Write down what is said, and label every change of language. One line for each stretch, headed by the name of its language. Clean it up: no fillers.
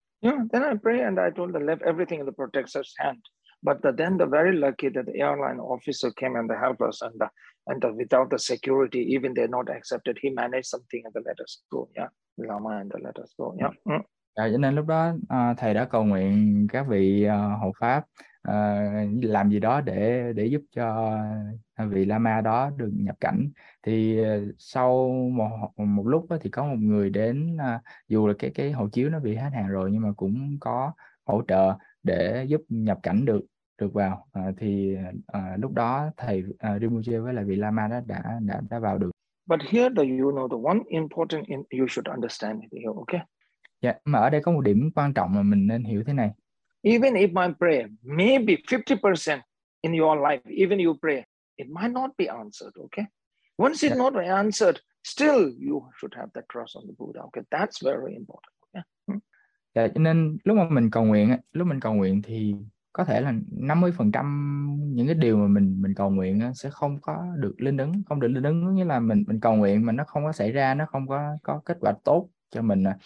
English: Yeah, then I pray and I told them left everything in the protector's hand. But then the very lucky that the airline officer came and helped us and without the security, even they're not accepted, he managed something and they let us go. Yeah, Lama and they let us go. Yeah.
Vietnamese: Dạ, cho nên lúc đó thầy đã cầu nguyện các vị hộ pháp làm gì đó để giúp cho vị Lama đó được nhập cảnh. Thì sau một lúc đó, thì có một người đến, dù là cái hộ chiếu nó bị hết hàng rồi, nhưng mà cũng có hỗ trợ để giúp nhập cảnh được vào. Thì lúc đó thầy Rinpoche với lại vị Lama đó đã vào được.
English: But here the, you know, the one important in, you should understand it here, okay?
Vietnamese: Dạ, mà ở đây có một điểm quan trọng mà mình nên hiểu thế này.
English: Even if my prayer, maybe 50% in your life, even you pray, it might not be answered, okay? Once it's not answered, still you should have that trust on the Buddha, okay? That's very important, okay?
Vietnamese: Dạ, cho nên lúc mình cầu nguyện thì có thể là 50% những cái điều mà mình cầu nguyện sẽ không có được linh ứng, không được linh ứng, nghĩa là mình cầu nguyện mà nó không có xảy ra, nó không có kết quả tốt cho mình.